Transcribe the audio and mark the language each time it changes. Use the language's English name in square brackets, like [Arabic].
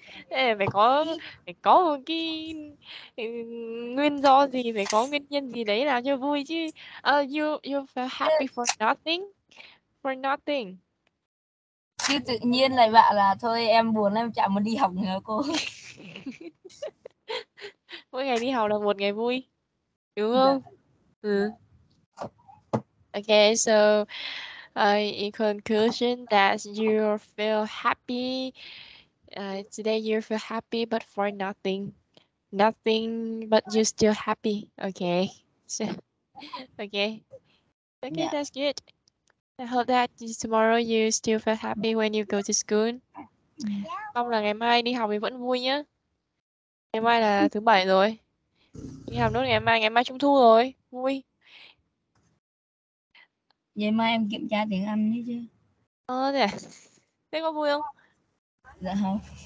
[Vietnamese] Thế phải có, phải có một cái nguyên do gì, phải có nguyên nhân gì đấy làm cho vui chứ. [English] You feel happy for nothing? For nothing. [Vietnamese] Chứ tự nhiên lại bảo là thôi em buồn em chẳng muốn đi học nữa cô. Mỗi ngày đi học là một ngày vui. Đúng không? Dạ. Ừ. [English] Okay, so in conclusion that you feel happy. Today you feel happy but for nothing. Nothing but you're still happy. Okay. So, okay. Okay, yeah. That's good. I hope that tomorrow you still feel happy when you go to school. [Vietnamese] Mong là ngày mai đi học thì vẫn vui nhá. Ngày mai là thứ bảy rồi. Đi học nốt ngày mai Trung thu rồi. Vui. Ngày mai em kiểm tra tiếng Anh đi chứ. Ờ thế à? Thế có vui không? Dạ không.